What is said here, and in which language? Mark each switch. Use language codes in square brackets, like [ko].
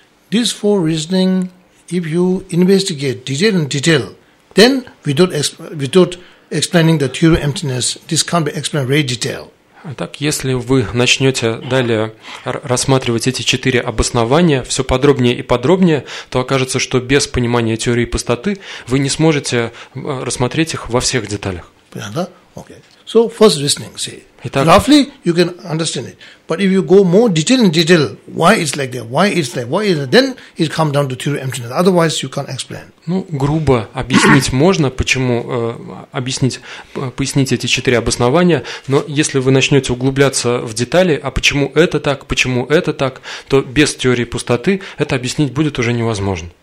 [en] These four reasoning, if you investigate detail and detail, then without explaining the true emptiness, this can't be explained very detail. [ru] Так, если вы начнете далее рассматривать эти четыре обоснования все подробнее и подробнее, то окажется, что без понимания теории пустоты вы не сможете рассмотреть их во всех деталях. Понятно? [en] Okay. So first reasoning, see. [ru] Итак, [en] roughly you can understand it, but if you go more detail in detail, why it's like that, why it's like, why is it, then it comes down to theory emptiness. Otherwise, you can't explain. [ru] Ну, грубо объяснить можно, почему пояснить эти четыре обоснования, но если вы начнете углубляться в детали, а почему это так, то без теории пустоты это объяснить будет уже невозможно.